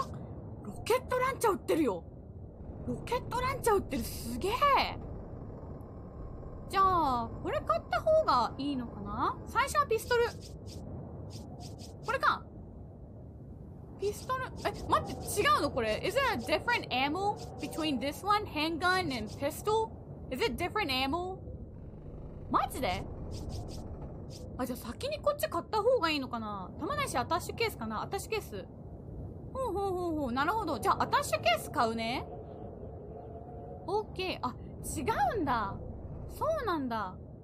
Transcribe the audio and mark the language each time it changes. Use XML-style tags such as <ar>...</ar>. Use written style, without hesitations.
<ja>ロケットランチャー売ってるよ。ロケットランチャー売ってる。すげえ。じゃあ、これ買った方がいいのかな？最初はピストル。これか。ピストル、え、待って、違うのこれ。</ja> <en>Is there a different ammo between this one, handgun and pistol? Is it different ammo?</en> <ja>マジで？あ、じゃあ先にこっち買った方がいいのかな？弾ないし、アタッシュケースかな？アタッシュケース。ほう、なるほど。じゃあ、アタッシュケース買うね。 OK。 あ、違うんだ。そうなんだ。</ja>